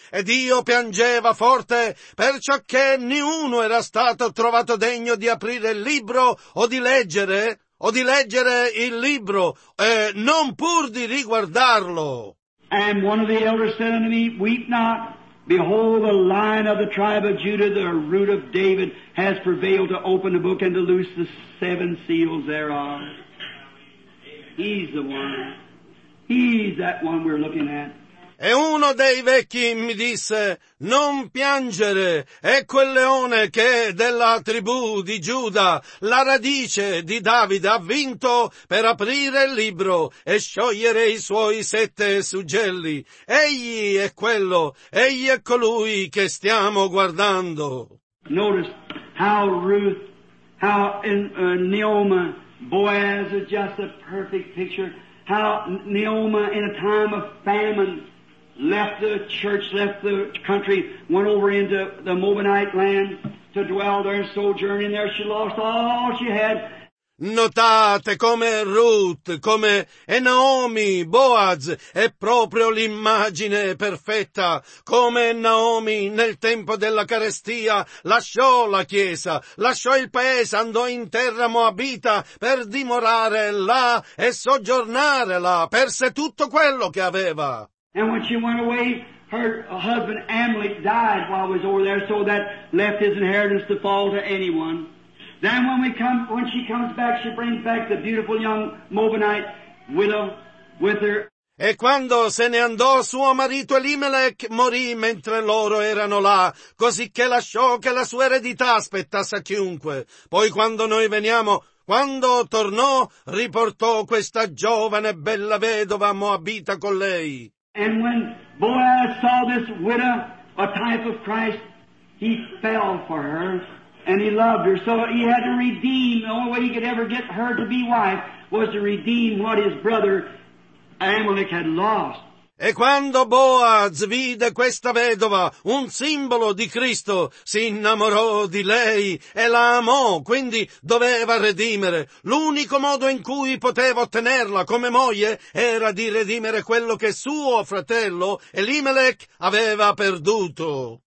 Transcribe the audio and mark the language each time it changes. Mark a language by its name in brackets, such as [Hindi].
[Italian] Ed io piangeva forte, perciò che niuno era stato trovato degno di aprire il libro o di leggere il libro, non pur di riguardarlo. [English] And one of the elders said unto me, weep not. Behold, the Lion of the tribe of Judah, the Root of David, has prevailed to open the book and to loose the seven seals thereof. He's the one. He's that one we're looking at. [Italian] E uno dei vecchi mi disse, non piangere, è quel leone che della tribù di Giuda, la radice di Davide, ha vinto per aprire il libro e sciogliere i suoi sette suggelli. Egli è quello, egli è colui che stiamo guardando. [English] Notice how Ruth, how in Naomi, Boaz is just a perfect picture, how Naomi in a time of famine, left the church, left the country, went over into the Moabite land to dwell there and sojourn in there. She lost all she had. [Italian] Notate come Ruth, come Naomi, Boaz, è proprio l'immagine perfetta. Come Naomi nel tempo della carestia lasciò la chiesa, lasciò il paese, andò in terra moabita per dimorare là e soggiornare là, perse tutto quello che aveva. [English] And when she went away, her husband Amalek died while he was over there, so that left his inheritance to fall to anyone. Then when she comes back, she brings back the beautiful young Moabite widow with her. [Italian] E quando se ne andò, suo marito Elimelech morì mentre loro erano là, cosicché lasciò che la sua eredità aspettasse a chiunque. Poi quando noi veniamo, quando tornò, riportò questa giovane bella vedova moabita con lei. [English] And when Boaz saw this widow, a type of Christ, he fell for her, and he loved her. So he had to redeem, the only way he could ever get her to be wife was to redeem what his brother Amalek had lost. [Italian] E quando Boaz vide questa vedova, un simbolo di Cristo, si innamorò di lei e la amò, quindi doveva redimere. L'unico modo in cui poteva ottenerla come moglie era di redimere quello che suo fratello Elimelech aveva perduto.